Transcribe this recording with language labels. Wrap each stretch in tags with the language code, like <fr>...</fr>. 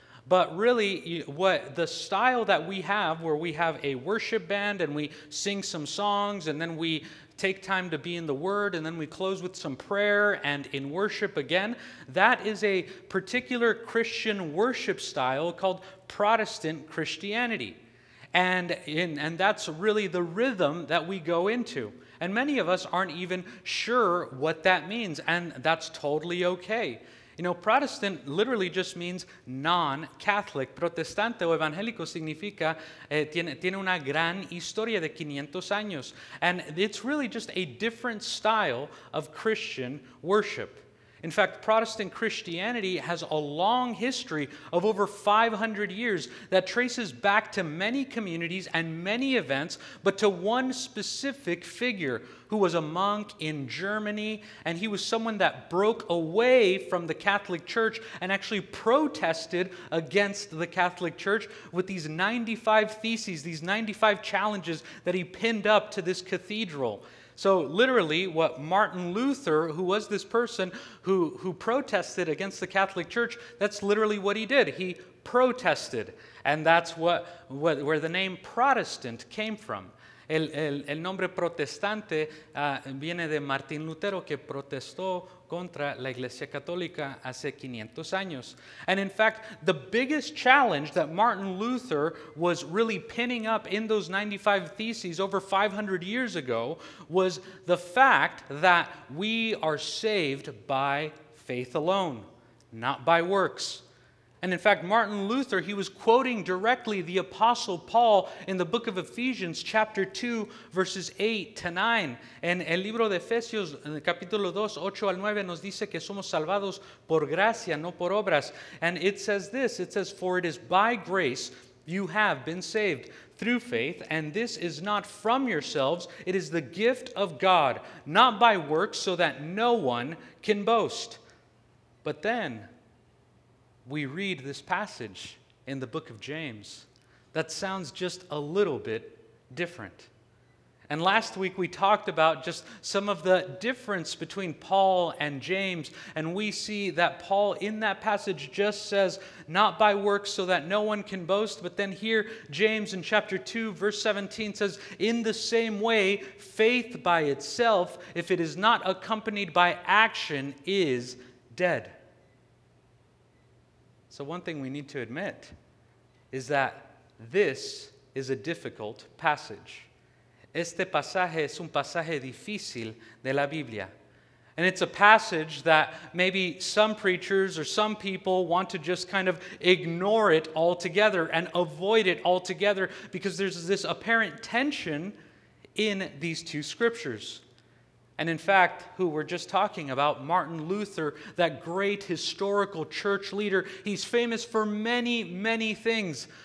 <en>But really, what the style that we have, where we have a worship band and we sing some songs and then we take time to be in the Word and then we close with some prayer and in worship again, that is a particular Christian worship style called Protestant Christianity. And that's really the rhythm that we go into. And many of us aren't even sure what that means, and that's totally okay. You know, Protestant literally just means non-Catholic.</en> <es>Protestante o evangélico significa, tiene una gran historia de 500 años.</es> <en>And it's really just a different style of Christian worship. In fact, Protestant Christianity has a long history of over 500 years that traces back to many communities and many events, but to one specific figure who was a monk in Germany, and he was someone that broke away from the Catholic Church and actually protested against the Catholic Church with these 95 theses, these 95 challenges that he pinned up to this cathedral. So literally, what Martin Luther, who was this person who protested against the Catholic Church, that's literally what he did. He protested. And that's where the name Protestant came from.</en> <es>El nombre protestante viene de Martin Lutero, que protestó contra la Iglesia Católica hace 500 años.</es> <en>And in fact, the biggest challenge that Martin Luther was really pinning up in those 95 theses over 500 years ago was the fact that we are saved by faith alone, not by works. And in fact, Martin Luther, he was quoting directly the Apostle Paul in the book of Ephesians, chapter 2, verses 8 to 9.</en> <es>En el libro de Efesios, en el capítulo 2, 8 al 9, nos dice que somos salvados por gracia, no por obras.</es> <en>And it says this, it says, "For it is by grace you have been saved through faith, and this is not from yourselves, it is the gift of God, not by works, so that no one can boast." But then we read this passage in the book of James that sounds just a little bit different. And last week we talked about just some of the difference between Paul and James, and we see that Paul in that passage just says, not by works so that no one can boast, but then here James in chapter 2 verse 17 says, in the same way, faith by itself, if it is not accompanied by action, is dead. So one thing we need to admit is that this is a difficult passage.</en> <es>Este pasaje es un pasaje difícil de la Biblia.</es> <en>And it's a passage that maybe some preachers or some people want to just kind of ignore it altogether and avoid it altogether because there's this apparent tension in these two scriptures. And in fact, who we're just talking about, Martin Luther, that great historical church leader, he's famous for many, many things.</en>